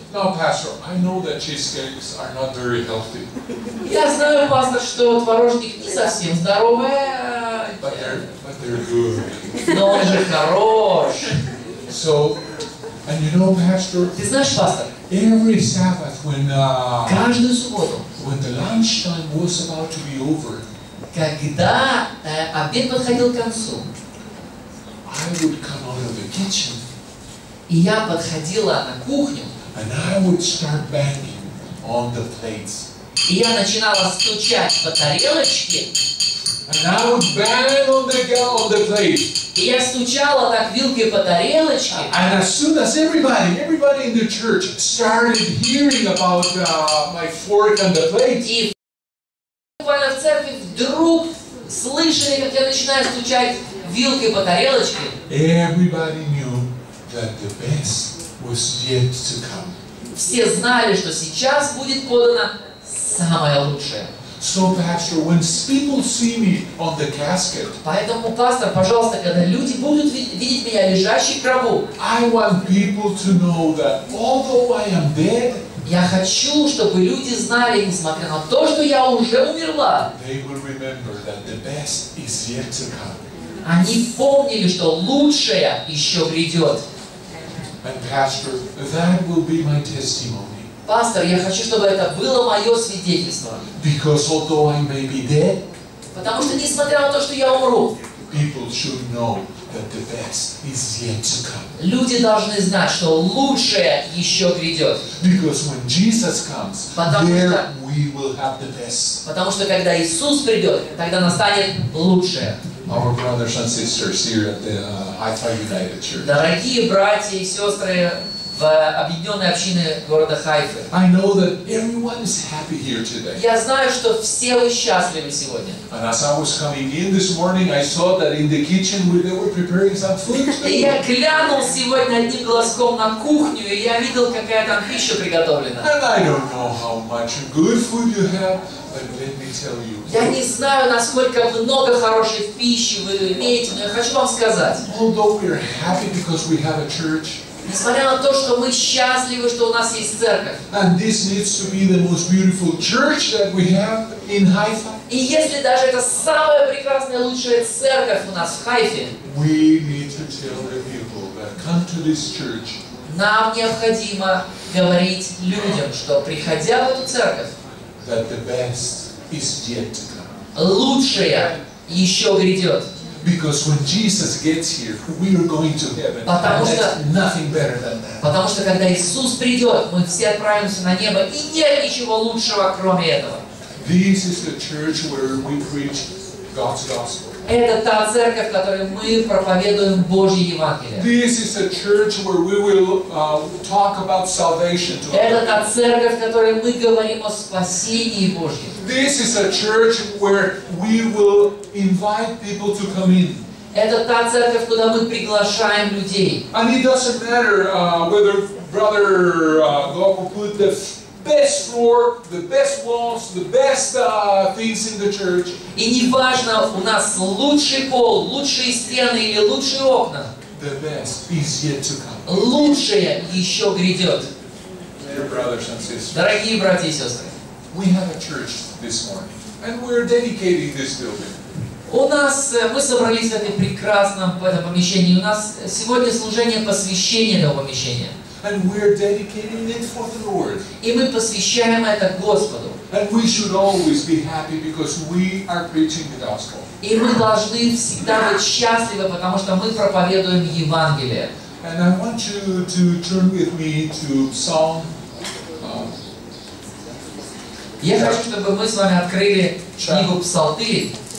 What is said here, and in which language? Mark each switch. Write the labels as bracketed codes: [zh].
[en] No, pastor, I know that cheesecakes are not very healthy. [ru] Я знаю, пастор, что творожник не совсем здоровый. [en] But they're good. [ru] Но он же хорош. [en] So, and you know, pastor. [ru] Ты знаешь, пастор? [en] Every Sabbath, when [ru] каждую субботу, [en] when the lunchtime was about to be over, [ru] когда обед подходил к концу, [en] I would come out of the kitchen, [ru] и я подходила на кухню, [en] and I would start banging on the plates, [ru] и я начинала стучать по тарелочке. [en] And I would bang on the gal on the plate. [ru] И я стучала так вилкой по тарелочке. [en] And as soon as everybody in the church started hearing about my fork and the plate. [ru] И буквально в церкви вдруг слышали, как я начинаю стучать вилкой по тарелочке. [en] Everybody knew that the best was yet to come. [ru] Все знали, что сейчас будет подано самое лучшее. [en] So, Pastor, when people see me on the casket, [ru] поэтому, пастор, пожалуйста, когда люди будут видеть меня лежащий в гробу, [en] I want people to know that although I am dead, [ru] я хочу, чтобы люди знали, несмотря на то, что я уже умерла, [en] they will remember that the best is yet to come. [ru] Они помнили, что лучшее еще придет. [en] And Pastor, that will be my testimony. [ru] Пастор, я хочу, чтобы это было мое свидетельство. [en] Because although I may be dead, [ru] потому что несмотря на то, что я умру, [en] people should know that the best is yet to come. [ru] Люди должны знать, что лучшее еще грядет. [en] Because when Jesus comes, there we will have the best. [ru] Потому что когда Иисус придет, тогда настанет лучшее. [en] Our brothers and sisters here at the Haifa United Church. [ru] Дорогие братья и сестры в объединенной общине города Хайфы. [en] I know that everyone is happy here today. [ru] Я знаю, что все вы счастливы сегодня. [en] And as I was coming in this morning, I saw that in the kitchen where they were preparing some food. [ru] Я глянул сегодня одним глазком на кухню, и я видел, какая там пища приготовлена. [en] And I don't know how much good food you have, but let me tell you. [ru] Я не знаю, насколько много хорошей пищи вы имеете, но я хочу вам сказать. [en] Although we are happy because we have a church, [ru] несмотря на то, что мы счастливы, что у нас есть церковь. [en] And this needs to be the most beautiful church that we have in Haifa. [ru] И если даже это самая прекрасная, лучшая церковь у нас в Хайфе. [en] We need to tell the people that come to this church. [ru] Нам необходимо говорить людям, что приходя в эту церковь, [en] that the best is yet to come. [ru] Лучшее еще грядет. [en] Because when Jesus gets here, we are going to heaven. [ru] Потому [en] and [ru] что [en] nothing better than that. [ru] Потому что когда Иисус придет, мы все отправимся на небо, и нет ничего лучшего, кроме этого. [en] This is the church where we preach God's gospel. [ru] Это та церковь, в которой мы проповедуем Божье Евангелие. [en] This is the church where we will talk about salvation to others. [ru] Это та церковь, в которой мы говорим о спасении Божьем. [en] This is a church where we will invite people to come in. [ru] Это та церковь, куда мы приглашаем людей. [en] And it doesn't matter whether Brother Goku put the best floor, the best walls, the best things in the church. [ru] И не важно, у нас лучший пол, лучшие стены или лучшие окна. [en] The best is yet to come. [ru] Лучшее еще грядет. [en] Dear brothers and sisters. [ru] Дорогие братья и сестры. [en] We have a church this morning, and we're dedicating this building. [ru] У нас мы собрались в этом прекрасном в этом помещении. У нас сегодня служение посвящения этого помещения. [en] And we're dedicating it for the Lord. [ru] И мы посвящаем это Господу. [en] And we should always be happy because we are preaching the gospel. [ru] И мы должны всегда быть счастливы, потому что мы проповедуем Евангелие. [en] And I want you to turn with me to Psalm. [ru] Я хочу, чтобы мы с вами открыли книгу Псалтырь.